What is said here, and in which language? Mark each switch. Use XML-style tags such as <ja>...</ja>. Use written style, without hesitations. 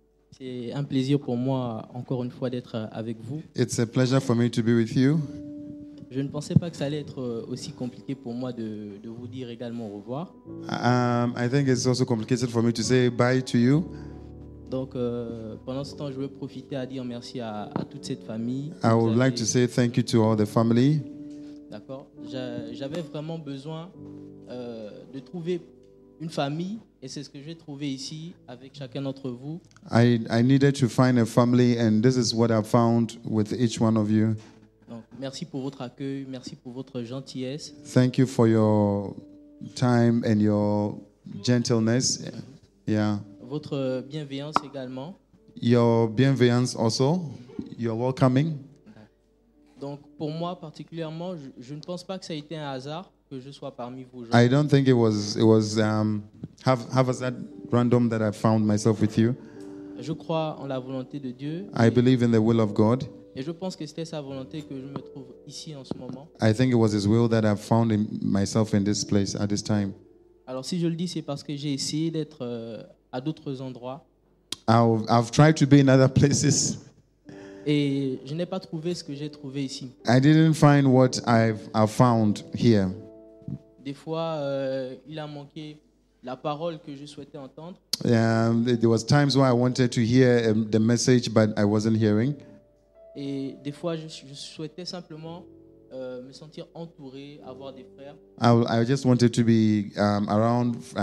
<fr>C'est un plaisir pour moi encore une fois d'être avec vous.</fr> <en>It's a pleasure for me to be with you.</en> <fr>Je ne pensais pas que ça allait être aussi compliqué pour moi de vous dire également au revoir.</fr> <en>I think it's also complicated for me to say bye to you.</en> <fr>Donc pendant ce temps, je veux profiter à dire merci à toute cette famille.</fr> <en>I would like to say thank you to all the family.</en> <fr>D'accord. J'avais vraiment besoin de trouver une famille et c'est ce que j'ai trouvé ici avec chacun d'entre vous.</fr> <en>I needed to find a family and this is what I found with each one of you.</en> <fr>Merci pour votre accueil, merci pour votre gentillesse.</fr> <en>Thank you for your time and your gentleness. Yeah.</en> <fr>Votre bienveillance également.</fr> <en>Your bienveillance also. Your welcoming.</en> <fr>Donc pour moi particulièrement, je ne pense pas que ça a été un hasard que je sois parmi vous.</fr> <en>I don't think it was that random that I found myself with you.</en> <fr>Je crois en la volonté de Dieu.</fr> <en>I believe in the will of God.</en> <fr>Et je pense que c'était sa volonté que je me trouve ici en ce moment.</fr> <en>I think it was his will that I found myself in this place at this time.</en> <fr>Alors si je le dis, c'est parce que j'ai essayé d'être à d'autres endroits.</fr> <en>I've tried to be in other places.</en> <fr>Et je n'ai pas trouvé ce que j'ai trouvé ici.</fr> <en>I didn't find what I've found here.</en> <fr>Des fois, il a manqué la parole que je souhaitais entendre.</fr> <en>Yeah, there was times where I wanted to hear the message, but I wasn't hearing.</en> <fr>Et des fois, je souhaitais simplement me sentir entouré, avoir des frères.</fr> <en>I just wanted to be around.</en>